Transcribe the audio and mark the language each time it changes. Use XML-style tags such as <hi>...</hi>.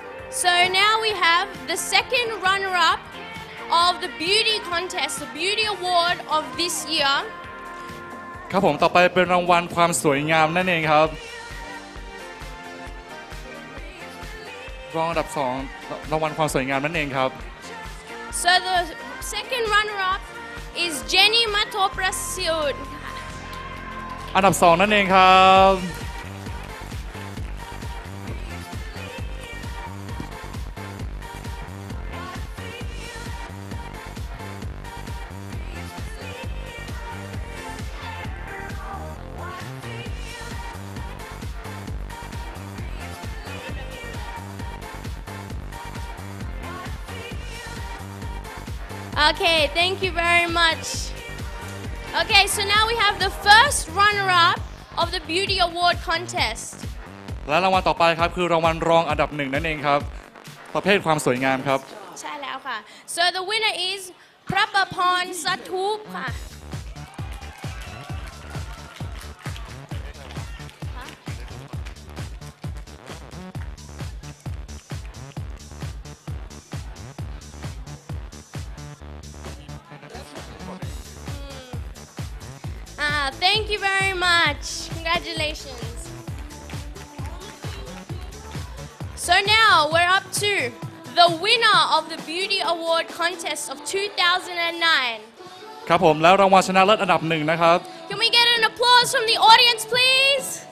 <en>So now we have the second runner-up of the beauty contest, the beauty award of this year.</en> <th>ครับผมต่อไปเป็นรางวัลความสวยงามนั่นเองครับรองอันดับ2รางวัลความสวยงามนั่นเองครับ</th> <en>So the second runner-up is Jenny Matoprasiud.</en> <th>อันดับ2นั่นเองครับ</th> <en>Okay, thank you very much. Okay, so now we have the first runner-up of the Beauty Award contest.</en> <th>และรางวัลต่อไปครับคือรางวัลรองอันดับหนึ่งนั่นเองครับประเภทความสวยงามครับ ใช่แล้วค่ะ</th> <en>So the winner is Prapapon Satup ค่ะThank you very much. Congratulations. So now we're up to the winner of the Beauty Award contest of 2009.</en> <th>ครับผมแล้วรางวัลชนะเลิศอันดับ1นะครับ</th> <en>Can we get an applause from the audience please?</en>